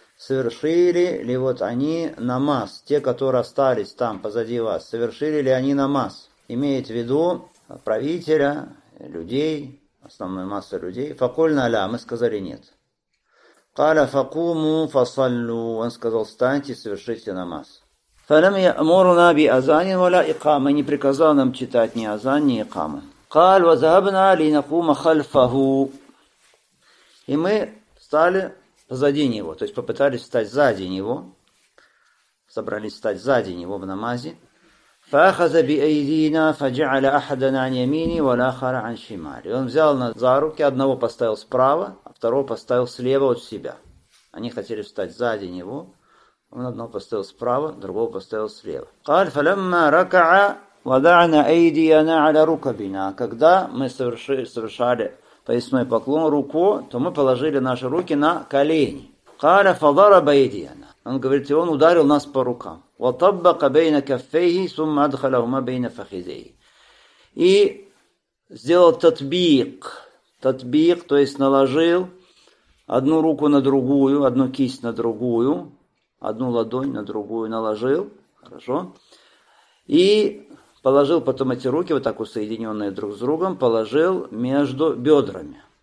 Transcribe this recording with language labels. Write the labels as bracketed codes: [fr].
[ru] Совершили ли вот они намаз, те, которые остались там позади вас, совершили ли они намаз? Имеет в виду правителя, людей, основной массы людей. [ar] Факульна ля, [ru] мы сказали нет. [ar] Каля факуму фасаллю, [ru] он сказал, встаньте, совершите намаз. [ar] فلم يأمرنا بأذان ولا إقامة. [ru] Не приказал нам читать ни азан, ни икама. [ar] قال وذهبنا لنقوم خلفه. [ru] И мы стали позади него, то есть попытались встать сзади него, собрались встать сзади него в намазе. [ar] فأخذ بأيدينا فجعل أحدنا عن يميني والآخر عن شمالي. [ru] И он взял нас за руки, одного поставил справа, а второго поставил слева от себя. Они хотели встать сзади него. Он одного поставил справа, другого поставил слева. [ar] قال فلما ركع وضعنا أيدينا على ركبنا. [ru] Когда мы совершали поясной поклон руку, то мы положили наши руки на колени. [ar] قال فضرب أيدينا. [ru] Он говорит, и он ударил нас по рукам. [ar] وطبق بين كفيه ثم أدخلهما بين فخذيه. [ru] И сделал татбик, то есть наложил одну руку на другую, одну кисть на другую, одну ладонь на другую наложил, хорошо, и положил потом эти руки, вот так вот соединенные друг с другом, положил между бедрами.